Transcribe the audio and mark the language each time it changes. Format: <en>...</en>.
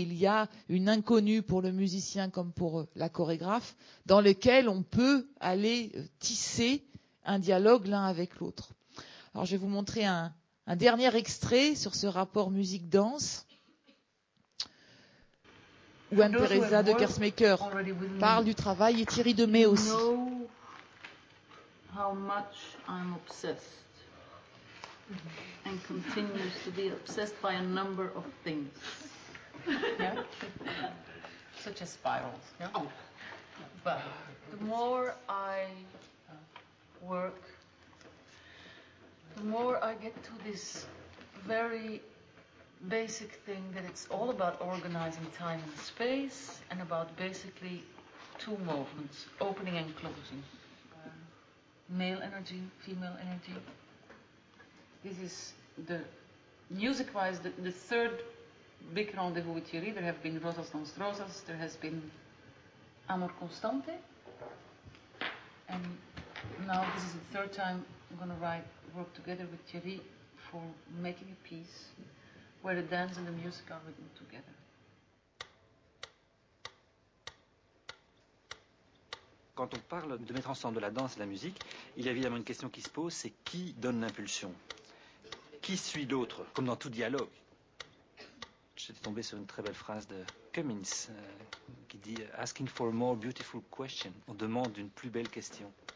<fr>Il y a une inconnue pour le musicien comme pour la chorégraphe, dans laquelle on peut aller tisser un dialogue l'un avec l'autre. Alors, je vais vous montrer un dernier extrait sur ce rapport musique-danse, où Anne-Thérèse de Kersmaecker parle du travail et Thierry de Mey aussi.</fr> <en>How much I'm obsessed and continues to be obsessed by a number of things. Yeah? Such as spirals. Yeah? Oh. But the more I work, the more I get to this very basic thing that it's all about organizing time and space and about basically two movements, opening and closing. Male energy, female energy. This is the music-wise, the third big rendezvous with Thierry. There have been Rosas non Rosas, there has been Amor Constante. And now this is the third time I'm gonna work together with Thierry for making a piece where the dance and the music are written together.</en> <fr>Quand on parle de mettre ensemble de la danse et de la musique, il y a évidemment une question qui se pose, c'est qui donne l'impulsion? Qui suit l'autre, comme dans tout dialogue? J'étais tombé sur une très belle phrase de Cummins qui dit «</fr> <en>Asking for a more beautiful question</en> <fr>», on demande une plus belle question.</fr>